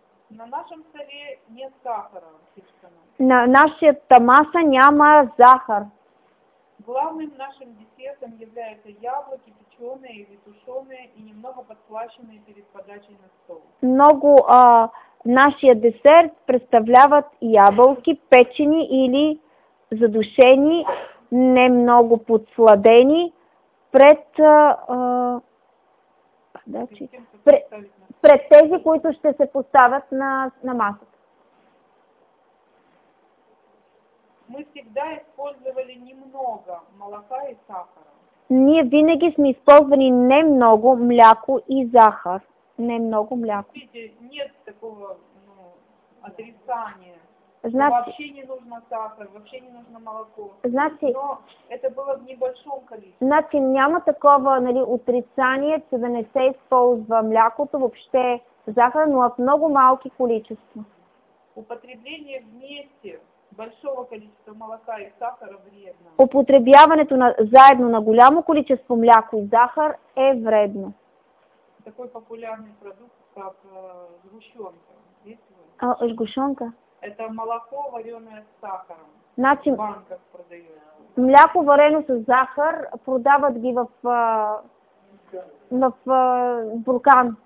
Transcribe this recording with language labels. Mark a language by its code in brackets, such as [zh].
[ru] На нашем столе нет сахара. [bg] На нашата маса няма захар. [ru] Главным нашим десертом являются яблоки, печеные или тушеные и немного подслащенные перед подачей на стол. [bg] Много нашия десерт представляват ябълки, печени или задушени, не много подсладени, пред тези, които ще се поставят на масата. [ru] Мы всегда использовали немного молока и сахара. [bg] Ние винаги сме използвали немного мляко и захар. Немного мляко. [ru] Видите, нет такого отрицания. Вообще не нужно сахар, вообще не нужно молоко. Но это было в небольшом количестве. [bg] Значи няма такова отрицание, че да не се използва млякото, въобще захар, но в много малки количества. [ru] Употребление вместе большого количества молока и сахара вредно. [bg] Употребяването заедно на голямо количество мляко и захар е вредно. [ru] Такой популярный продукт, как сгущенка. Сгущенка? Это молоко, вареное с сахаром. Значит, в банках продают. [bg] Мляко, варено с захар, продават ги в буркан.